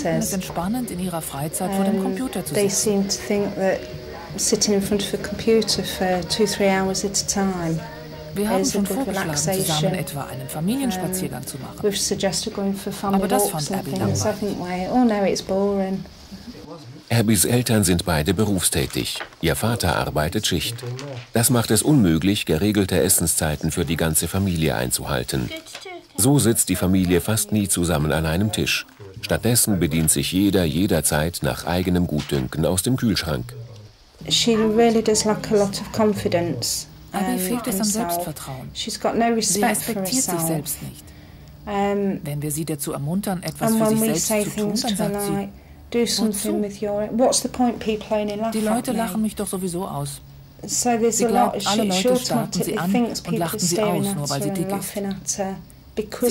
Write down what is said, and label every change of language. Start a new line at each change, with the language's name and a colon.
German: Sie finden es entspannend, in ihrer Freizeit vor dem Computer zu
English: they
German: sitzen.
English: Seem to think that sitting in front of a computer for 2-3 hours at a time.
German: Wir haben schon vorgeschlagen, zusammen etwa einen Familienspaziergang zu machen.
English: We've suggested going for family
German: aber das fand Abby langweilig.
English: Oh no, it's boring.
German: Abbys Eltern sind beide berufstätig. Ihr Vater arbeitet Schicht. Das macht es unmöglich, geregelte Essenszeiten für die ganze Familie einzuhalten. So sitzt die Familie fast nie zusammen an einem Tisch. Stattdessen bedient sich jeder jederzeit nach eigenem Gutdünken aus dem Kühlschrank.
English: She really does lack a lot of confidence.
German: Abby fehlt es an Selbstvertrauen.
English: She's got no respect.
German: Sie respektiert sich selbst nicht. Wenn wir sie dazu ermuntern, etwas für sich selbst zu tun, dann sagt sie:
English: Do something with your. What's the point, people only laugh?
German: Die Leute lachen mich doch sowieso aus.
English: So there's
German: sie
English: a lot.
German: Alle Leute starten sie an und lachen sie aus, nur weil sie dick ist.